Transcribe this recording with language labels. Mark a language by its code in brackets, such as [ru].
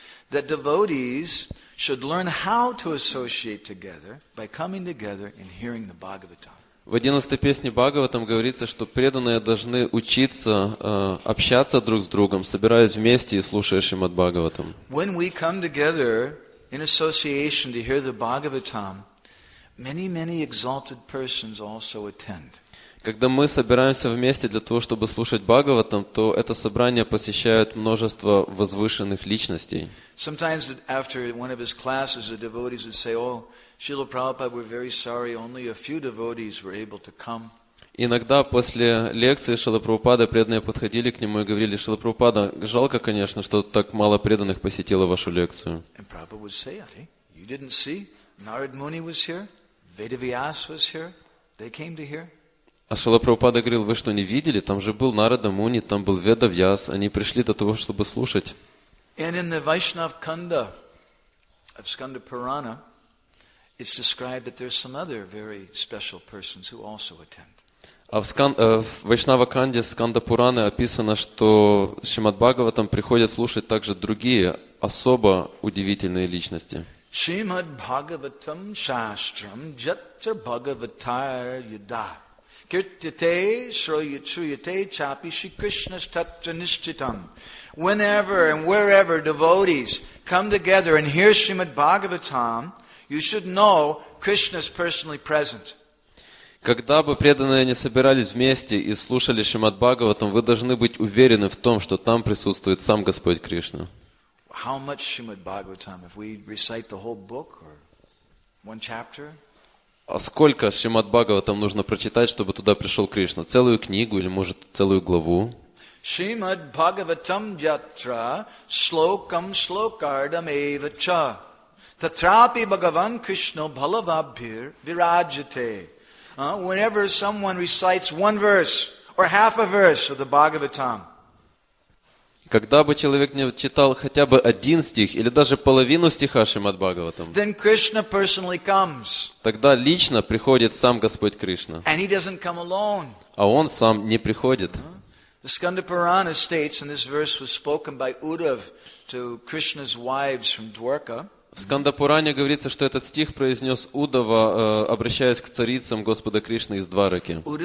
[en] That devotees should learn how to associate together by coming together and hearing the Bhagavatam. [ru] В 11-й песне Бхагаватам говорится, что преданные должны учиться общаться друг с другом, собираясь вместе и слушая Шримад Бхагаватам. [en] When we come together in association to hear the Bhagavatam, many, many exalted persons also attend. [ru] Когда мы собираемся вместе для того, чтобы слушать Бхагаватам, то это собрание посещают множество возвышенных личностей. [en] Sometimes after one of his classes, the devotees would say, "Oh, Srila Prabhupada, we're very sorry, only a few devotees were able to come." [ru] Иногда после лекции Шрила Прабхупады преданные подходили к нему и говорили, Шрила Прабхупада, жалко, конечно, что так мало преданных посетило вашу лекцию. [en] And Prabhupada would say, "Hey, you didn't see? Narad Muni was here, Vedavyas was here, they came to hear." [ru] А Шрила Прабхупада говорил, вы что, не видели? Там же был Нарада Муни, там был Ведавьяс, они пришли до того, чтобы слушать. [en] And in the Vaishnav Kanda of Skanda Purana, it's described that there are some other very special persons who also attend. [ru] А в Вайшнава Канде Сканда Пураны описано, что Шримад Бхагаватам приходят слушать также другие особо удивительные личности. [sa] Шримад Бхагаватам Шастрам Джатра Бхагаватар Юда Киртите Шройятруяте Чапи Шри Кришна Статра Ништитам. [en] Whenever and wherever devotees come together and hear Шримад Бхагаватам, you should know Krishna is personally present. [ru] Когда бы преданные не собирались вместе и слушали Шримад Бхагаватам, вы должны быть уверены в том, что там присутствует сам Господь Кришна. [en] How much Shrimad Bhagavatam? If we recite the whole book or one chapter? [ru] А сколько Шримад Бхагаватам нужно прочитать, чтобы туда пришел Кришна? Целую книгу или, может, целую главу? [sa] Shrimad Bhagavatam Jatra Shlokam Shlokardam Evacha Tatrapi Bhagavan Krishna Bhalavabhir Virajate. [en] Whenever someone recites one verse or half a verse of the Bhagavatam. [ru] Когда бы человек не читал хотя бы один стих или даже половину стиха Шримад Бхагаватам. [en] Then Krishna personally comes. [ru] Тогда лично приходит сам Господь Кришна. [en] And he doesn't come alone. [ru] А он сам не приходит. [en] The Skanda Purana states, and this verse was spoken by Uddhav to Krishna's wives from Dwarka. [ru] В Скандапуране говорится, что этот стих произнес Удава, обращаясь к царицам Господа Кришны из Двараки.